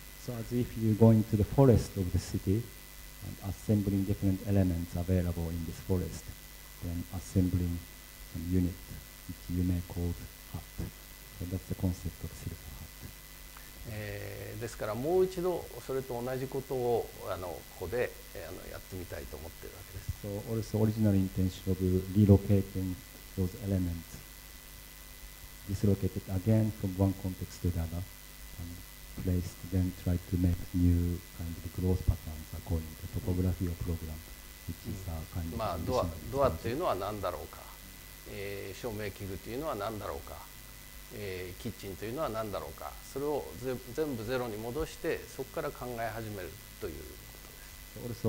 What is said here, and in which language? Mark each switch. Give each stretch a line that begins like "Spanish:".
English: So as if you go into the forest of the city and assembling different elements available in this forest, then assembling some unit which you may call hut. So that's the concept of silver hut.
Japanese: ですからもう一度それと同じことをここでやってみたいと思っているわけです。
English: So also original intention of relocating those elements, dislocated again from one context to the other, and placed, then try to make new kind of growth patterns according to topography or program, which is a kind of.
Japanese: まあドア、ドアというのは何だろうか、照明器具というのは何だろうか。キッチンというのは何だろうか、それを全部ゼロに戻して、そこから考え始めるということです。